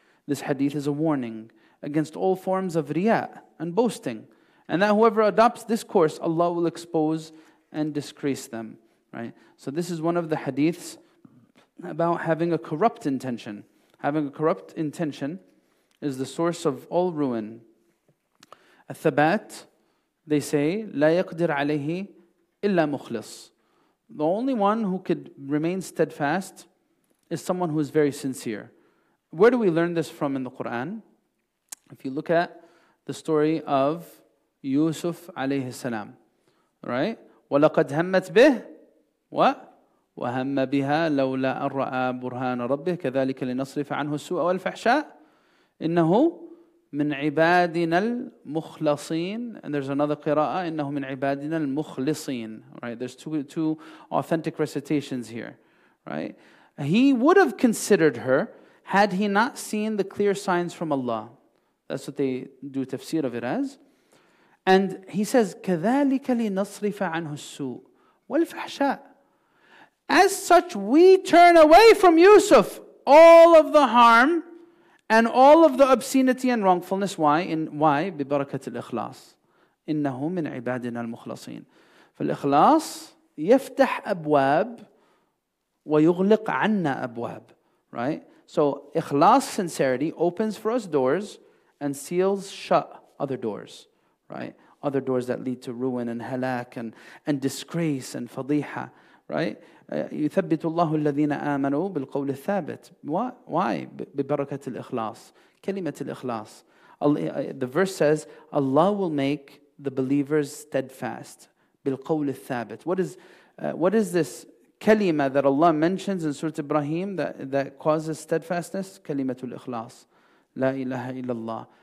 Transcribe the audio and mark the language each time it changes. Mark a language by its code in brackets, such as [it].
[en] This hadith is a warning against all forms of riya and boasting. And that whoever adopts this course, Allah will expose and disgrace them. Right? So this is one of the hadiths about having a corrupt intention. Having a corrupt intention is the source of all ruin. [ar] Al-Thabat, [en] they say, [ar] لَا يَقْدِرْ عَلَيْهِ إِلَّا مُخْلِصٍ. [en] The only one who could remain steadfast is someone who is very sincere. Where do we learn this from in the Quran? If you look at the story of Yusuf alayhi salam, right? [ar] وَلَقَدْ هَمَّتْ بِهِ [en] what? [ar] وهم بها لولا أن رأى برهان ربه كذلك لنصرف عنه السوء والفحشاء إنه من عبادنا المخلصين. [en] And there's another [ar] قراءة, إنه من عبادنا المخلصين. [en] Right, there's two authentic recitations here. Right, he would have considered her had he not seen the clear signs from Allah. That's what they do tafsir of it as. And he says, [ar] كذلك لنصرف عنه السوء والفحشاء. [en] As such, we turn away from Yusuf all of the harm and all of the obscenity and wrongfulness. Why? In why? [ar] ببركه الاخلاص. انه من عبادنا المخلصين. فالاخلاص يفتح ابواب ويغلق عنا ابواب. [en] Right? So, ikhlas, sincerity, opens for us doors and seals shut other doors. Right? Other doors that lead to ruin and halak and disgrace and fadiha. Right? [ar] يثبت الله الذين آمنوا بالقول الثابت. [en] Why? [ar] ببركة الإخلاص. كلمة الإخلاص. [en] The verse says, Allah will make the believers steadfast. [ar] بالقول الثابت. [en] What is this كلمة that Allah mentions in Surah Ibrahim that causes steadfastness? [ar] كلمة الإخلاص. لا إله إلا الله.